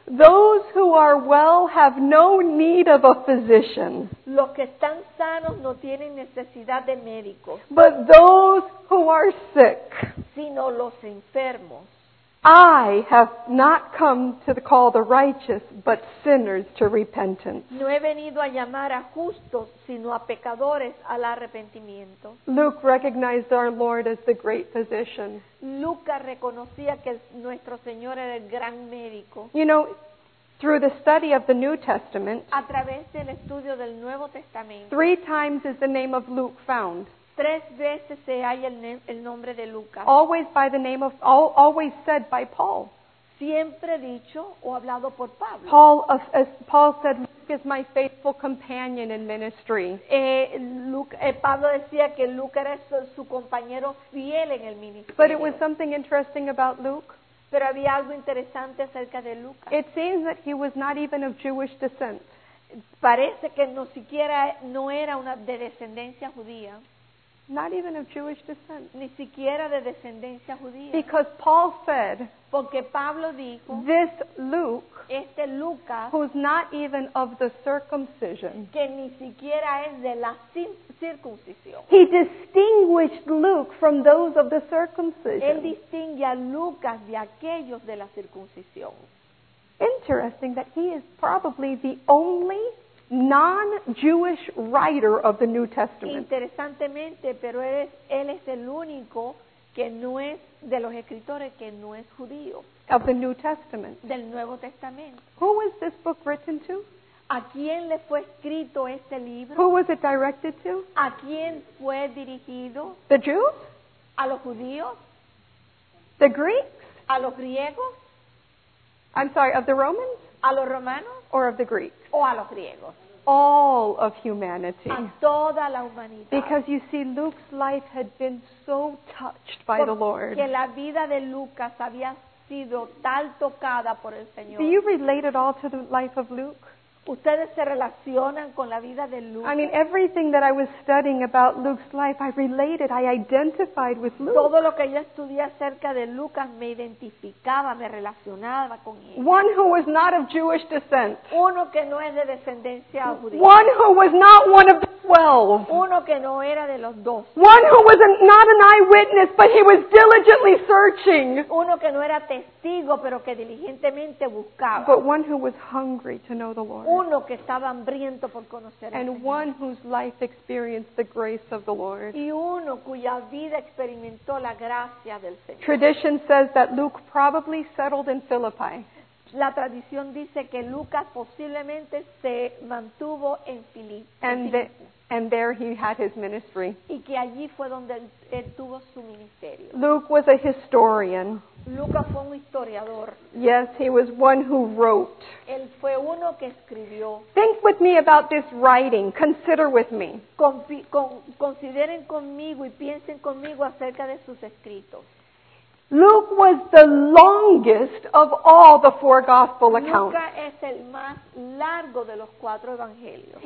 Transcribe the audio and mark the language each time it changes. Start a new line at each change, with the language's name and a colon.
English: Those who are well have no need of a physician.
Spanish: Los que están sanos no tienen necesidad de médicos.
English: But those who are sick.
Spanish: Sino los enfermos.
English: I have not come to call the righteous, but sinners to repentance.
Spanish: No he venido a llamar a justos, sino a pecadores al arrepentimiento.
English: Luke recognized our Lord as the great physician.
Spanish: Lucas reconocía que nuestro Señor era el gran médico.
English: You know, through the study of the New Testament,
Spanish: a través del estudio del Nuevo Testamento,
English: three times is the name of Luke found.
Spanish: Tres veces se halla el nombre de Lucas.
English: Always by the name of, always said by Paul.
Spanish: Siempre dicho o hablado por Pablo.
English: Paul said, Luke is my faithful companion in ministry.
Spanish: Pablo decía que Lucas era su compañero fiel en el ministerio.
English: But it was something interesting about Luke.
Spanish: Pero había algo interesante acerca de Lucas.
English: It seems that he was not even of Jewish descent.
Spanish: Parece que no siquiera no era una de descendencia judía.
English: Not even of Jewish descent.
Spanish: Ni siquiera de descendencia judía.
English: Because Paul said,
Spanish: porque Pablo dijo,
English: this Luke,
Spanish: este Lucas,
English: who's not even of the circumcision,
Spanish: que ni siquiera es de la circuncisión.
English: He distinguished Luke from those of the circumcision.
Spanish: Él distingue a Lucas de aquellos de la circuncisión.
English: Interesting that he is probably the only non-Jewish writer of the New Testament.
Spanish: Interesantemente, pero él es el único que no es de los escritores que no es judío.
English: Of the New Testament.
Spanish: Del Nuevo Testamento.
English: Who was this book written to?
Spanish: ¿A quién le fue escrito este libro?
English: Who was it directed to?
Spanish: ¿A quién fue dirigido?
English: The Jews?
Spanish: ¿A los judíos?
English: The Greeks?
Spanish: ¿A los griegos?
English: I'm sorry, of the Romans?
Spanish: ¿A los romanos?
English: Or of the Greeks?
Spanish: ¿O a los griegos?
English: All of humanity.
Spanish: A toda la humanidad.
English: Because you see, Luke's life had been so touched by the Lord.
Spanish: Porque la vida de Lucas había sido tal tocada por el Señor.
English: Do you relate at all to the life of Luke?
Spanish: ¿Ustedes se relacionan con la vida de Luke?
English: I mean, everything that I was studying about Luke's life, I related, I identified with Luke.
Spanish: Todo lo que yo estudié acerca de Lucas me identificaba, me relacionaba con él.
English: One who was not of Jewish descent.
Spanish: Uno que no es de descendencia judía.
English: One who was not one of the 12.
Spanish: Uno que no era de los 12.
English: One who was not an eyewitness, but he was diligently searching.
Spanish: Uno que no era testigo, pero que diligentemente buscaba.
English: But one who was hungry to know the Lord.
Spanish: Uno que estaba hambriento por conocer
English: and
Spanish: al Señor.
English: One whose life experienced the grace of the Lord.
Spanish: Y uno cuya vida experimentó la gracia del Señor.
English: Tradition says that Luke probably settled in Philippi.
Spanish: La tradición dice que Lucas posiblemente se mantuvo en Filipo.
English: And there he had his ministry.
Spanish: Y que allí fue donde él tuvo su ministerio.
English: Luke was a historian.
Spanish: Lucas fue un historiador.
English: Yes, he was one who wrote.
Spanish: Él fue uno que escribió.
English: Think with me about this writing. Consider with me.
Spanish: Consideren conmigo y piensen conmigo acerca de sus escritos.
English: Luke was the longest of all the four gospel accounts.
Spanish: Lucas es el más largo de los cuatro evangelios.